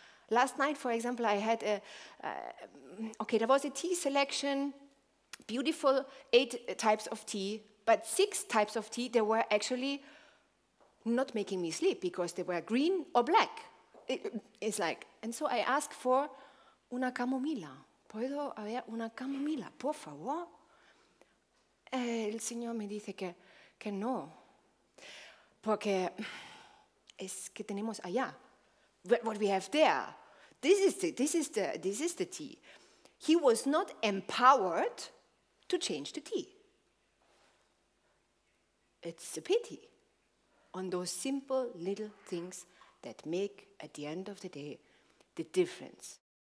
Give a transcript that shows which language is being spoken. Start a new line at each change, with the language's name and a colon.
English: Last night, for example, I had there was a tea selection, beautiful 8 types of tea, but 6 types of tea, they were actually not making me sleep because they were green or black. It's like, and so I asked for
Spanish: una camomila. ¿Puedo haber una camomila, por favor? El señor me dice que no, porque es que tenemos allá.
English: What we have there, this is the tea. He was not empowered to change the tea. It's a pity on those simple little things that make, at the end of the day, the difference.